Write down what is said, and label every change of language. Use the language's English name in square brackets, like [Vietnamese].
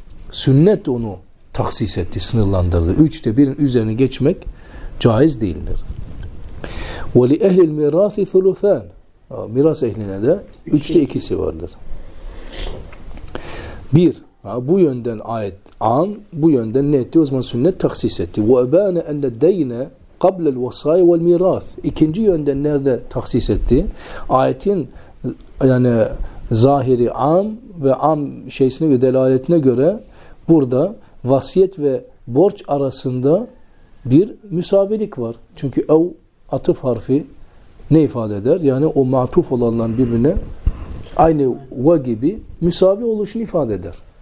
[Turkish] Sünnet onu taksis etti, sınırlandırdı. 3'te 1'in üzerine geçmek caiz değildir. [Arabic] وَلِ اَهْلِ الْمِرَاثِ ثُلُثَانَ [Turkish] Miras ehline de 3'te 2'si vardır. 1. Bu yönden ayet an, bu yönden ne etti? O zaman sünnet taksis etti. [Arabic] وَاَبَانَ اَنَّ دَيْنَ قَبْلَ الْوَصَيْ وَالْمِرَاثِ [Turkish] İkinci yönden nerede taksis etti? Ayetin yani zahiri am ve am şeysine göre, delaletine göre burada vasiyet ve borç arasında bir müsavilik var. Çünkü ev atıf harfi ne ifade eder? Yani o matuf olanların birbirine aynı ve gibi müsavi oluşunu ifade eder.